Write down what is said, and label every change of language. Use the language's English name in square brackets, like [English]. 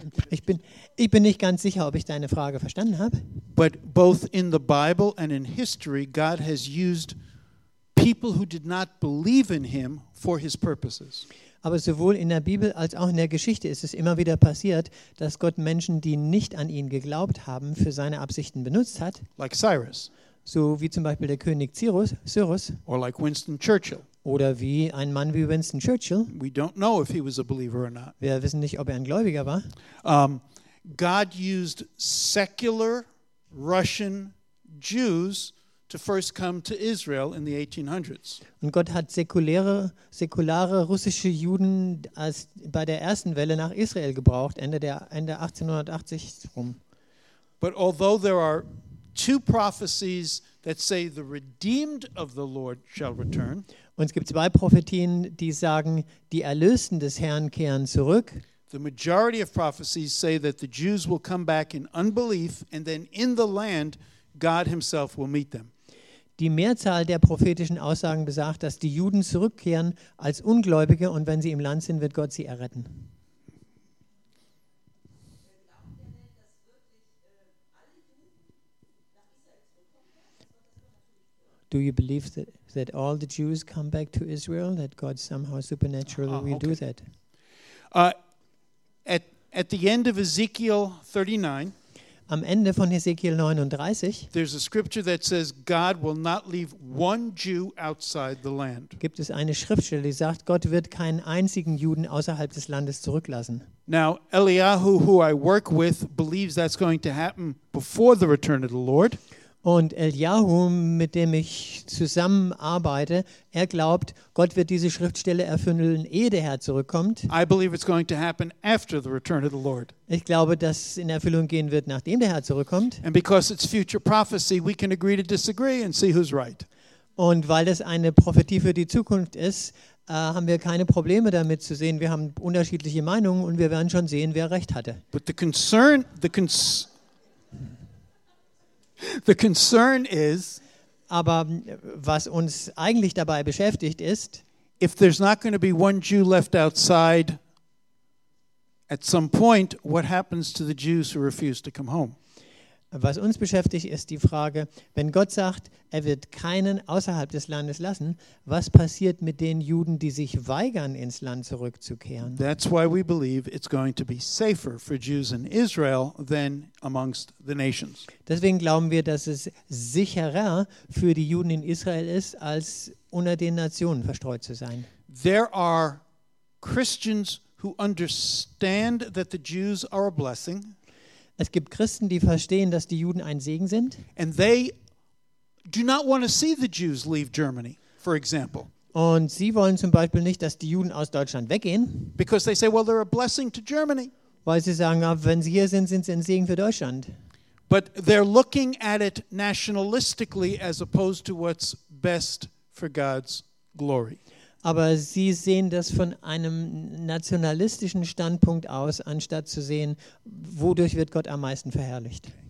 [German] Ich bin nicht ganz sicher, ob ich deine Frage verstanden habe. [English] But both in the Bible and in history, God has used people who did not believe in Him for His purposes. [German] Aber sowohl in der Bibel als auch in der Geschichte ist es immer wieder passiert, dass Gott Menschen, die nicht an ihn geglaubt haben, für seine Absichten benutzt hat. [English] Like Cyrus. [German] So wie zum Beispiel der König Cyrus. [English] Or like Winston Churchill. [German] Oder wie ein Mann wie Winston Churchill. [English] We don't know if he was a believer or not. [German] Wir wissen nicht, ob er ein Gläubiger war. [English] God used secular Russian Jews to first come to Israel in the 1800s. [German] Und Gott hat säkulare russische Juden als bei der ersten Welle nach Israel gebraucht Ende 1880 rum. [English] But although there are two prophecies that say the redeemed of the Lord shall return, [German] und es gibt zwei Prophetien, die sagen, die Erlösten des Herrn kehren zurück. [English] The majority of prophecies say that the Jews will come back in unbelief and then in the land God himself will meet them. [German] Die Mehrzahl der prophetischen Aussagen besagt, dass die Juden zurückkehren als Ungläubige und wenn sie im Land sind, wird Gott sie erretten. [English] Do you believe that all the Jews come back to Israel, that God somehow supernaturally will do that? At the end of Ezekiel 39, [German] am Ende von Hesekiel 39 [English] there's a scripture that says God will not leave one Jew outside the land. [German] Gibt es eine Schriftstelle, die sagt, Gott wird keinen einzigen Juden außerhalb des Landes zurücklassen. [English] Now Eliyahu, who I work with, believes that's going to happen before the return of the Lord. [German] Und Eliyahu, mit dem ich zusammenarbeite, er glaubt, Gott wird diese Schriftstelle erfüllen, ehe der Herr zurückkommt. [English] I believe it's going to happen after the return of the Lord. [German] Ich glaube, dass es in Erfüllung gehen wird, nachdem der Herr zurückkommt. [English] And because it's future prophecy, we can agree to disagree and see who's right. [German] Und weil das eine Prophetie für die Zukunft ist, haben wir keine Probleme damit zu sehen. Wir haben unterschiedliche Meinungen und wir werden schon sehen, wer recht hatte. [English] But the concern, the concern is, [German] aber was uns eigentlich dabei beschäftigt ist, [English] if there's not going to be one Jew left outside at some point, what happens to the Jews who refuse to come home? [German] Was uns beschäftigt ist die Frage, wenn Gott sagt, er wird keinen außerhalb des Landes lassen, was passiert mit den Juden, die sich weigern, ins Land zurückzukehren? [English] That's why we believe it's going to be safer for Jews in Israel than amongst the nations. [German] Deswegen glauben wir, dass es sicherer für die Juden in Israel ist, als unter den Nationen verstreut zu sein. [English] There are Christians who understand that the Jews are a blessing. [German] Es gibt Christen, die verstehen, dass die Juden ein Segen sind. [English] And they do not want to see the Jews leave Germany, for example. [German] Und sie wollen zum Beispiel nicht, dass die Juden aus Deutschland weggehen. [English] Because they say, well, they're a blessing to Germany. [German] Weil sie sagen, wenn sie hier sind, sind sie ein Segen für Deutschland. [English] But they're looking at it nationalistically as opposed to what's best for God's glory. [German] Aber sie sehen das von einem nationalistischen Standpunkt aus, anstatt zu sehen, wodurch wird Gott am meisten verherrlicht.